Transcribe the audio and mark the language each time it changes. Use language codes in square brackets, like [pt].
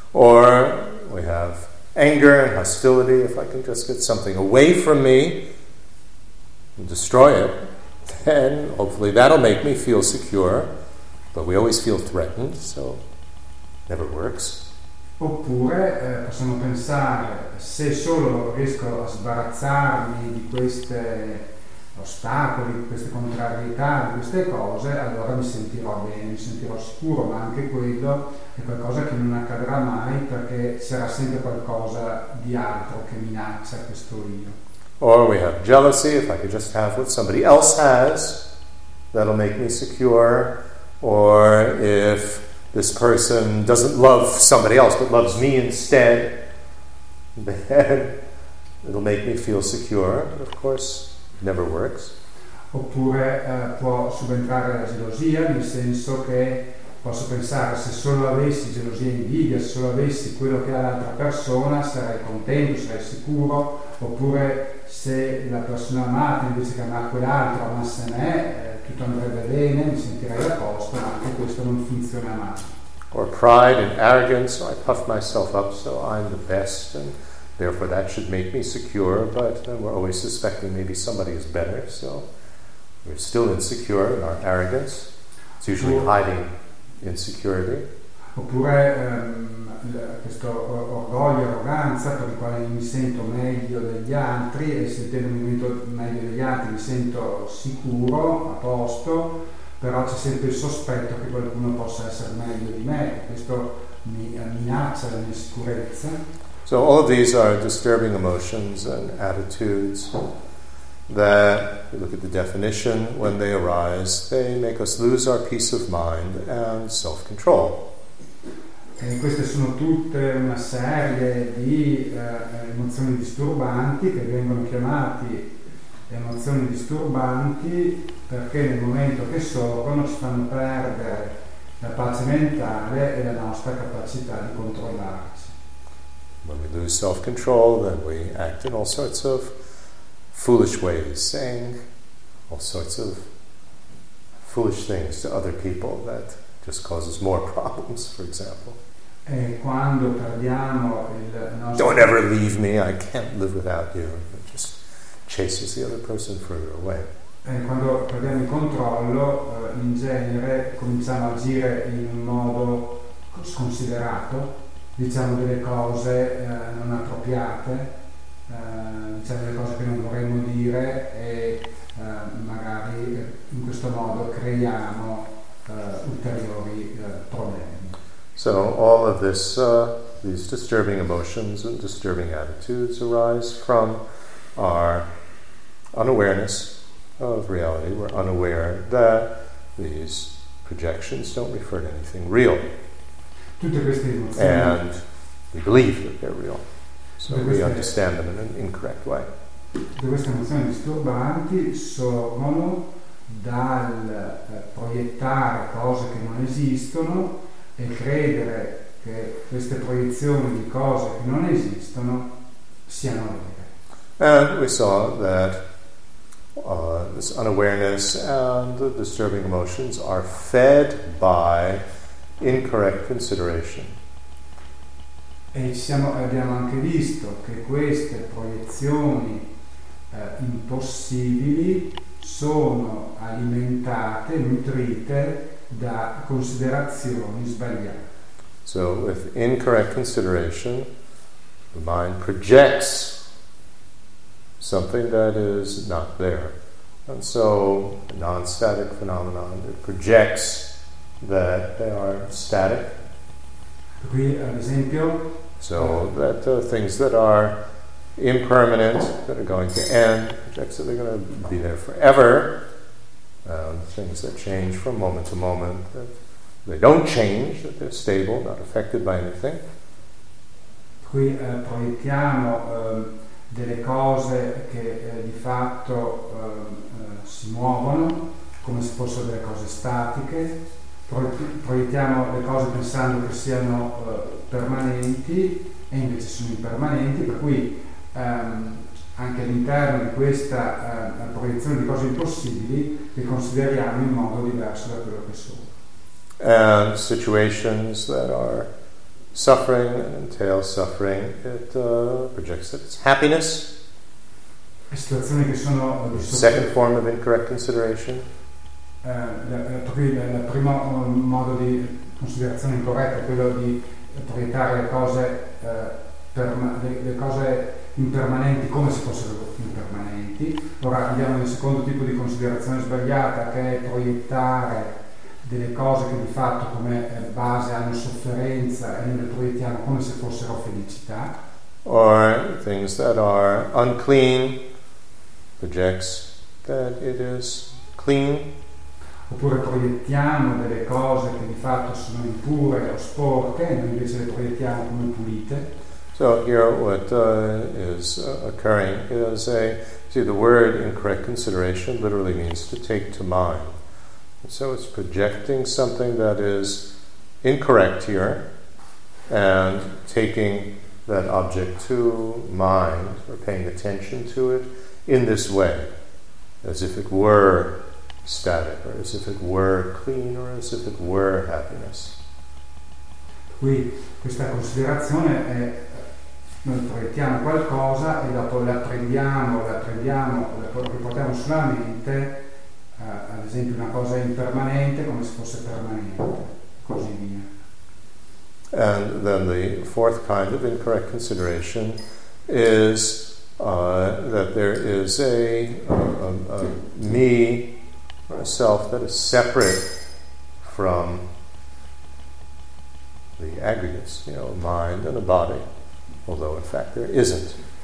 [en] Or we have anger and hostility. If I can just get something away from me and destroy it, then hopefully that'll make me feel secure. But we always feel threatened, so never works. [it] Oppure possiamo pensare, se solo riesco a sbarazzarmi di queste ostacoli, di queste contrarietà, di queste cose, allora mi sentirò bene, mi sentirò sicuro, ma anche quello è qualcosa che non accadrà mai, perché sarà sempre qualcosa di altro che minaccia questo io. [en] Or we have jealousy. If I could just have what somebody else has, that'll make me secure. Or if this person doesn't love somebody else but loves me instead, then it'll make me feel secure. But of course, it never works. [it] Oppure può subentrare la gelosia, nel senso che posso pensare, se solo avessi gelosia e invidia, se solo avessi quello che ha l'altra persona, sarei contento, sarei sicuro. Oppure se la persona amata invece che amare quell'altro amasse me, tutto andrebbe bene, mi sentirei a posto, ma anche questo non funziona mai. [en] Or pride and arrogance, I puff myself up, so I'm the best, and therefore that should make me secure, but we're always suspecting maybe somebody is better, so we're still insecure in our arrogance. It's usually hiding insecurity. [it] Oppure questo orgoglio, arroganza, per il quale mi sento meglio degli altri, e sentendo un momento meglio degli altri mi sento sicuro, a posto, però c'è sempre il sospetto che qualcuno possa essere meglio di me, questo mi minaccia la mia sicurezza. [en] So all of these are disturbing emotions and attitudes that, if you look at the definition, when they arise, they make us lose our peace of mind and self-control. [it] E queste sono tutte una serie di emozioni disturbanti, che vengono chiamate emozioni disturbanti perché nel momento che sorgono ci fanno perdere la pace mentale e la nostra capacità di controllarci. [en] When we lose self-control, then we act in all sorts of foolish ways, saying all sorts of foolish things to other people that just causes more problems, for example. [it] E quando perdiamo il nostro... [en] Don't ever leave me, I can't live without you. It just chases the other person further away. [it] E quando perdiamo il controllo, in genere cominciamo a agire in un modo sconsiderato. Diciamo delle cose non appropriate, diciamo delle cose che non vorremmo dire, e magari in questo modo creiamo ulteriori problemi. [en] So all of this, these disturbing emotions and disturbing attitudes arise from our unawareness of reality. We're unaware that these projections don't refer to anything real. [it] Tutte queste emozioni. [en] And we believe that they're real, so we understand them in an incorrect way. [it] Tutte queste emozioni disturbanti sorgono dal proiettare cose che non esistono e credere che queste proiezioni di cose che non esistono siano vere. [en] And we saw that this unawareness and the disturbing emotions are fed by incorrect consideration. [it] E abbiamo anche visto che queste proiezioni impossibili sono alimentate, nutrite da considerazioni sbagliate. [en] So with incorrect consideration, the mind projects something that is not there. And so a non-static phenomenon, it projects that they are static. [it] Qui ad esempio. [en] So that the things that are impermanent, that are going to end, objects that are going to be there forever, things that change from moment to moment, that they don't change, that they're stable, not affected by anything. [it] Qui proiettiamo delle cose che di fatto si muovono, come se fossero delle cose statiche. Proiettiamo le cose pensando che siano permanenti e invece sono impermanenti, per cui anche all'interno di questa proiezione di cose impossibili le consideriamo in modo diverso da quello che sono. [en] And situations that are suffering and entail suffering, it projects that it's happiness. [it] Le situazioni che sono di [en] second form of incorrect consideration. [it] Il primo modo di considerazione incorretta è quello di proiettare le cose impermanenti come se fossero impermanenti. Ora abbiamo il secondo tipo di considerazione sbagliata, che è proiettare delle cose che di fatto come base hanno sofferenza e le proiettiamo come se fossero felicità. [en] Or things that are unclean projects that it is clean. [it] Oppure proiettiamo delle cose che di fatto sono impure o sporche e noi invece le proiettiamo come pulite. [en] So here what is occurring is the word incorrect consideration literally means to take to mind. And so it's projecting something that is incorrect here and taking that object to mind or paying attention to it in this way, as if it were static, or as if it were clean, or as if it were happiness. [it] Qui questa considerazione è noi proiettiamo qualcosa e dopo la prendiamo quello che portiamo sulla mente, ad esempio una cosa impermanente come se fosse permanente, così via. [en] And then the fourth kind of incorrect consideration is that there is a me or a self that is separate from the aggregates, a mind and a body, although in fact there isn't.